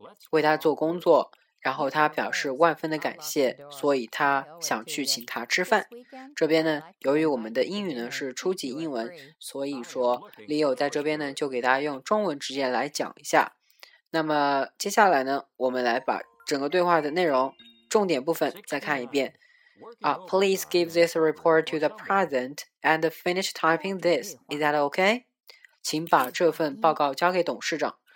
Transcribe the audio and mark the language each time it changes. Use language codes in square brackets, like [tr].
[zh] 为他做工作，然后他表示万分的感谢，所以他想去请他吃饭。这边呢，由于我们的英语呢是初级英文，所以说 Leo 在这边呢就给大家用中文直接来讲一下。那么接下来呢，我们来把整个对话的内容重点部分再看一遍。 [en] Please give this report to the president and finish typing this. Is that okay? [zh] 请把这份报告交给董事长。